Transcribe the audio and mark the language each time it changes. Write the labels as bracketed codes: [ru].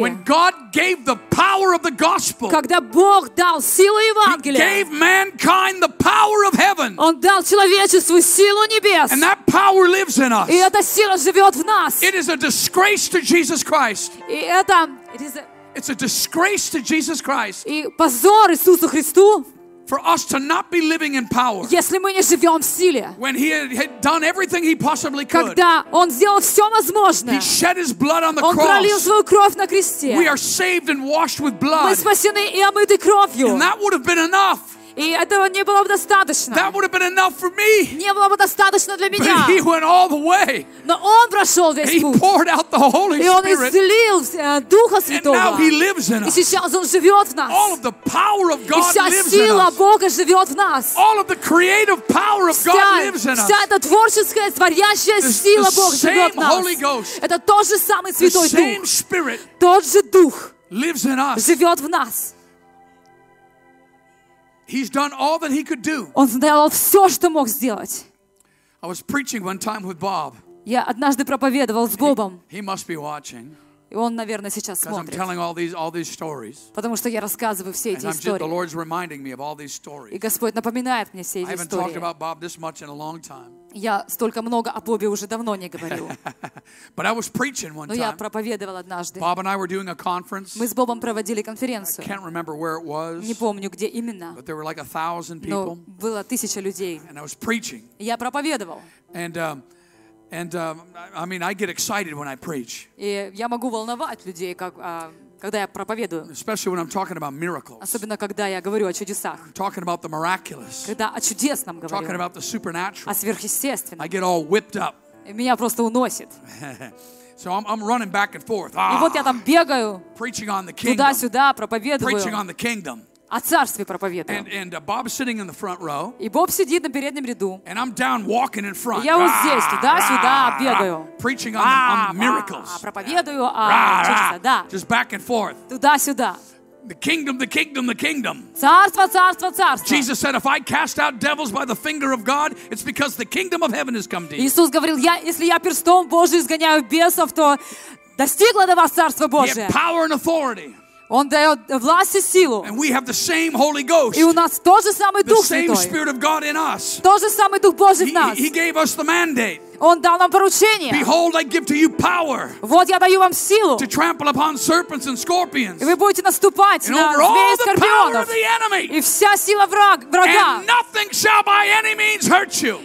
[en] When God gave the power of the gospel. [ru] Когда Бог дал силу Евангелия. [en] He gave mankind the power of heaven. [ru] Он дал человечеству силу небес. [en] And that power lives in us. [ru] И эта сила живет в нас. [en] It is a disgrace to Jesus Christ. [ru] И это [en] It's a disgrace to Jesus Christ. [ru] И позор Иисусу Христу. [en] For us to not be living in power. [ru] Если мы не живем в силе. [en] When he had done everything he possibly could. [ru] Когда он сделал все возможное. [en] He shed his blood on the cross. [ru] Он пролил свою кровь на кресте. [en] We are saved and washed with blood. [ru] Мы спасены и омыты кровью. [en] And that would have been enough. [ru] И этого не было бы достаточно. [en] That would have been enough for me. [ru] Не было бы достаточно для меня. [en] But he went all the way. [ru] Но он прошел весь путь. [en] He poured out the Holy Spirit. [ru] И он излил Духа Святого. [en] And now he lives in us. [ru] И сейчас он живет в нас. [en] All of the power of God lives in us. [ru] И вся сила Бога живет в нас. [en] All of the creative power of God lives in us. [ru] Вся эта творческая, творящая сила Бога живет в нас. [en] Holy Ghost. [ru] Это тот же самый Святой Дух. [en] The same Spirit. [ru] Тот же Дух. [en] Lives in us. [ru] Живет в нас. [en] He's done all that he could do. [ru] Он сделал все, что мог сделать. [en] I was preaching one time with Bob. [ru] Я однажды проповедовал с Бобом. [en] He must be watching. [ru] И он, наверное, сейчас смотрит. [en] Because I'm telling all these stories. [ru] Потому что я рассказываю все эти истории. [en] And the Lord's reminding me of all these stories. [ru] И Господь напоминает мне все эти истории. [en] I haven't talked about Bob this much in a long time. [ru] Я столько много о Бобе уже давно не говорил. [en] But I was preaching one time. [ru] Но я проповедовал однажды. [en] Bob and I were doing a conference. [ru] Мы с Бобом проводили конференцию. [en] I can't remember where it was. [ru] Не помню, где именно. [en] But there were like 1,000 people. [ru] Но было 1,000 людей. [en] And I was preaching. [ru] Я проповедовал. [en] I mean, I get excited when I preach. [ru] И я могу волновать людей, когда я проповедую. [en] Especially when I'm talking about miracles. [ru] Особенно когда я говорю о чудесах. [en] I'm talking about the miraculous. [ru] Когда о чудесном говорю. [en] Talking about the supernatural. [ru] О сверхъестественном. [en] I get all whipped up. [ru] И меня просто уносит. [en] So I'm running back and forth. [ru] И вот я там бегаю. [en] Preaching on the kingdom. [ru] Туда-сюда проповедую. [en] Preaching on the kingdom. [ru] О царстве проповедую. [en] And Bob's sitting in the front row. [ru] И Боб сидит на переднем ряду. [en] And I'm down walking in front. [ru] И я вот здесь, туда-сюда бегаю. [en] Preaching on the miracles. [ru] Проповедую о чудесах, да. [en] Just back and forth. [ru] Туда-сюда. [en] The kingdom, the kingdom, the kingdom. [ru] Царство, царство, царство. [en] Jesus said, "If I cast out devils by the finger of God, it's because the kingdom of heaven has come to you." [ru] Иисус говорил, если я перстом Божий изгоняю бесов, то достигло до вас царство Божие. [en] He had power and authority. [ru] Он дает власть и силу. [en] And we have the same Holy Ghost. [ru] И у нас тот же самый Дух Святой. [en] The same Spirit of God in us. [ru] Тот же самый Дух Божий в нас. [en] He gave us the mandate. [ru] Он дал нам поручение. [en] Behold, I give to you power. [ru] Вот я даю вам силу. [en] To trample upon serpents and scorpions. [ru] И вы будете наступать на змей и скорпионов. И вся сила врага. [en] And nothing shall by any means hurt you.